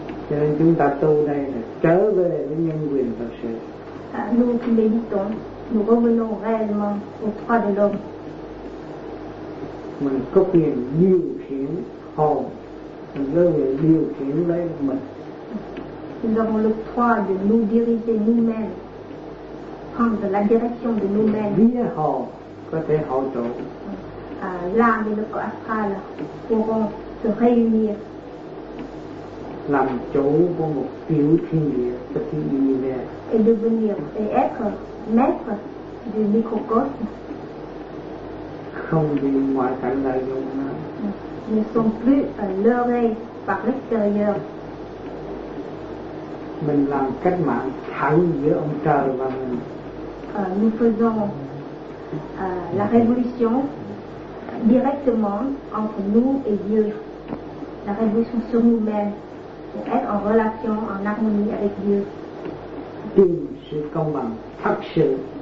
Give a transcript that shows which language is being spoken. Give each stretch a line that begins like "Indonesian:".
Vietnamese: Cho nên chúng ta tu đây là trở về với nhân quyền thật sự.
French: Nous qui méditons, nous revenons réellement au Khoa Đề Lôn.
Vietnamese: Mình có quyền điều khiển hồn, mình có quyền điều khiển lấy mình.
French: Nous avons le droit de nous diriger nous-mêmes, prendre la direction de nous-mêmes.
Vietnamese: Via hồn, có thể hội tụ.
French: L'âme et le corps astral pourront se réunir.
Vietnamese: Làm chủ của một tiểu thiên địa,
French: petit univers. Et devenir, et être maître du microcosme.
Vietnamese: Không bị ngoại cảnh lợi dụng nữa.
French: Ne sont plus leurrés par l'extérieur.
Vietnamese: Mình làm cách mạng thẳng giữa ông trời và mình.
French: Nous faisons la révolution directement entre nous et Dieu. La révolution sur nous-mêmes pour être en relation, en harmonie avec Dieu.
Vietnamese: Tìm sự công bằng thật sự.